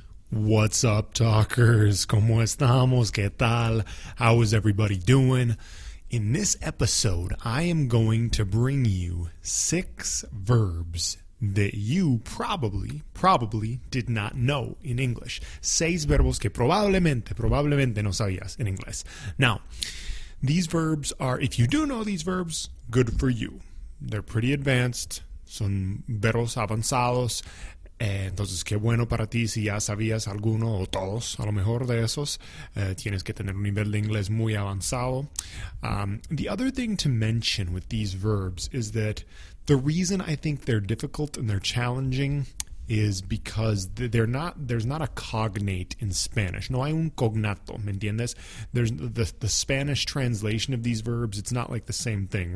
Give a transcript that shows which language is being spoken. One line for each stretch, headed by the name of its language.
English: What's up, talkers?
Spanish: ¿Cómo estamos? ¿Qué tal?
English: How is everybody doing? In this episode, I am going to bring you six verbs that you probably did not know in English.
Spanish: Seis verbos que probablemente no sabías en inglés.
English: Now, these verbs are, if you do know these verbs, good for you. They're pretty advanced.
Spanish: Son verbos avanzados. Entonces, qué bueno para ti si ya sabías alguno o todos, a lo mejor de esos. Tienes que tener un nivel de inglés muy avanzado.
English: The other thing to mention with these verbs is that the reason I think they're difficult and they're challenging is because they're not. There's not a cognate in Spanish.
Spanish: No hay un cognato, ¿me entiendes?
English: There's the Spanish translation of these verbs, it's not like the same thing.